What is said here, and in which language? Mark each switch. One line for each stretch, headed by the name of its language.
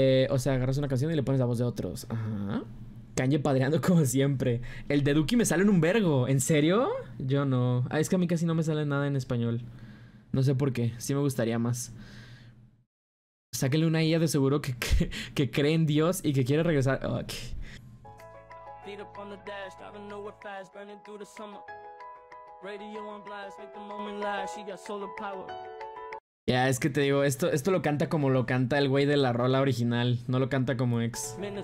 Spanish: O sea, agarras una canción y le pones la voz de otros. Ajá. Kanye padreando como siempre. El de Duki me sale en un vergo. ¿En serio? Yo no. Ah, es que a mí casi no me sale nada en español. No sé por qué. Sí me gustaría más. Sáquenle una IA de seguro que cree en Dios y que quiere regresar. Ok.
English: Feet up on the dash, driving nowhere fast, burning through the summer. Radio on blast, make the moment last, she got solar power.
Spanish: Ya, es que te digo, esto lo canta como lo canta el güey de la rola original, no lo canta como ex.